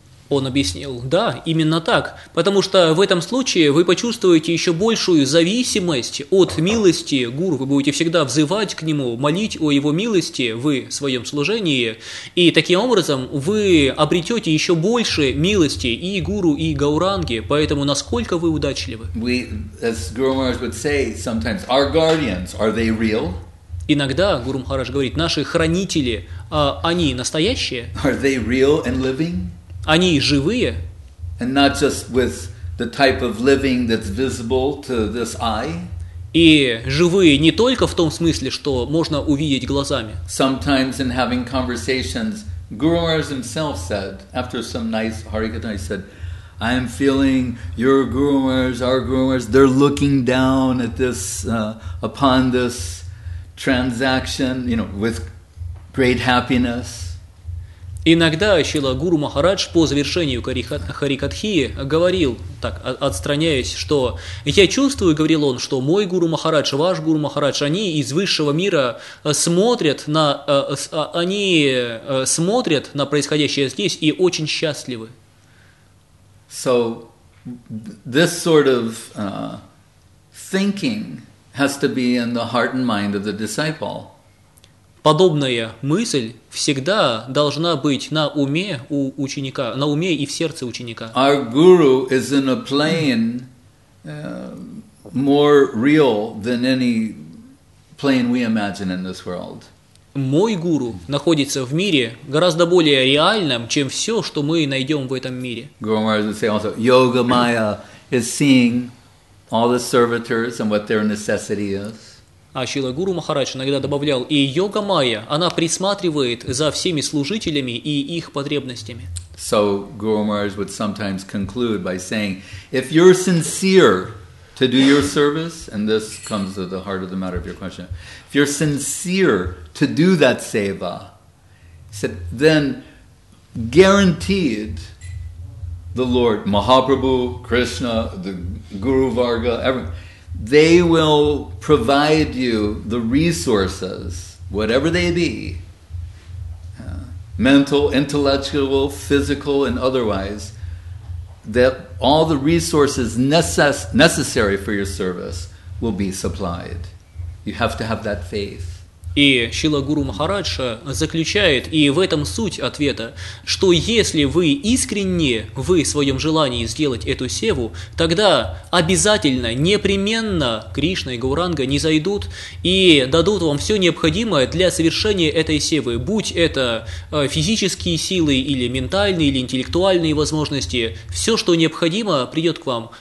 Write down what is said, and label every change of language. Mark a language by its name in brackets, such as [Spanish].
[Russian] Он объяснил, да, именно так, потому что в этом случае вы почувствуете еще большую зависимость от милости гуру, вы будете всегда взывать к нему, молить о его милости в своем служении, и таким образом вы обретете еще больше милости и гуру, и гауранги, поэтому насколько вы удачливы. [English] We, as Guru Maharaj would say, sometimes our guardians, are they real? [Russian] Иногда, Гуру Махарадж говорит, наши хранители, они настоящие? [English] Are they real and living? [Russian] Они живые. [English] And not just with the type of living that's visible to this eye. [Russian] И живые не только в том смысле, что можно увидеть глазами. [English] Sometimes in having conversations, Guru Maharaj himself said, after some nice harikatha, he said, I am feeling your Guru Maharaj, our Guru Maharaj, they're looking down at this, upon this transaction, you know, with great happiness. [Russian] Иногда Шрила Гуру Махарадж по завершению Харикатхи говорил, так отстраняясь, что «я чувствую», — говорил он, — «что мой Гуру Махарадж, ваш Гуру Махарадж, они из высшего мира смотрят на, они смотрят на происходящее здесь и очень счастливы». [English] So, this sort of thinking has to be in the heart and mind of the disciple. [Russian] Подобная мысль всегда должна быть на уме у ученика, на уме и в сердце ученика. [English] Our guru is in a plane more real than any plane we imagine in this world. [Russian] Мой гуру находится в мире гораздо более реальном, чем все, что мы найдем в этом мире. [English] Guru Maharaj would say also, Yoga Maya is seeing all the servitors and what their necessity is. [Russian] А Шрила Гуру Махарадж иногда добавлял, и йога майя, она присматривает за всеми служителями и их потребностями. [English] So Guru Maharaj would sometimes conclude by saying, if you're sincere to do your service, and this comes to the heart of the matter of your question, if you're sincere to do that seva, then guaranteed the Lord, Mahaprabhu, Krishna, the Guru Varga, everyone, they will provide you the resources, whatever they be, mental, intellectual, physical, and otherwise, that all the resources necessary for your service will be supplied. You have to have that faith. [Russian] И Шрила Гуру Махарадж заключает, и в этом суть ответа, что если вы искренне в своем желании сделать эту севу, тогда обязательно, непременно Кришна и Гауранга не зайдут и дадут вам все необходимое для совершения этой севы, будь это физические силы или ментальные, или интеллектуальные возможности, все, что необходимо, придет к вам.